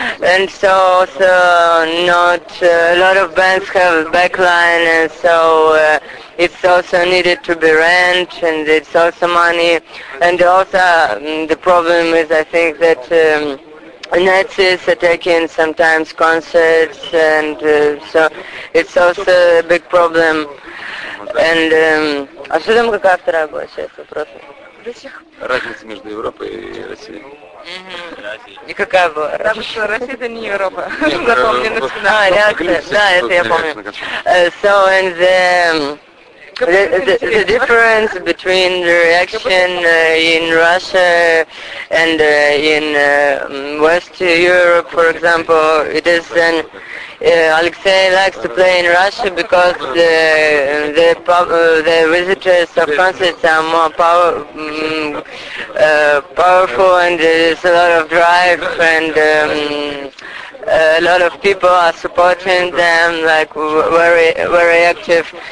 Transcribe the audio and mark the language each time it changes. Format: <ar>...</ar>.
<en>And so also not a lot of bands have backline, and so it's also needed to be rent, and it's also money. And also the problem is, I think, that Nazis are taking sometimes concerts, and so it's also a big problem. And</en> <ru>а что там, какая вторая была часть вопроса? Разница между Европой и Россией. И какая была Россия? Потому что Россия — это не Европа. Запомнили на реакция. Да, это я помню.</ru> <en>So and the the difference between the reaction in Russia and in West Europe, for example, it is an Alexei likes to play in Russia because the visitors of concerts are more powerful, and there's a lot of drive, and a lot of people are supporting them, like very active.</en>